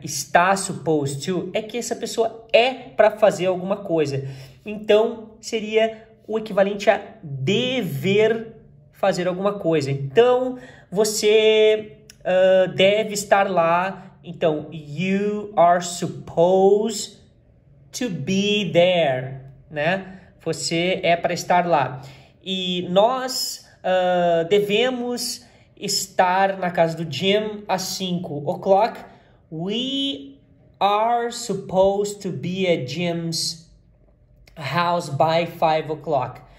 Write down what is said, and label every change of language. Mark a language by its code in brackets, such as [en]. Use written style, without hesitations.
[pt] Está supposed to, é que essa pessoa é para fazer alguma coisa. Então, seria o equivalente a dever fazer alguma coisa. Então, você deve estar lá. Então, [en] you are supposed to be there, [pt] né? Você é para estar lá. E nós devemos estar na casa do Jim às 5 o'clock. [en] We are supposed to be at Jim's house by 5 o'clock.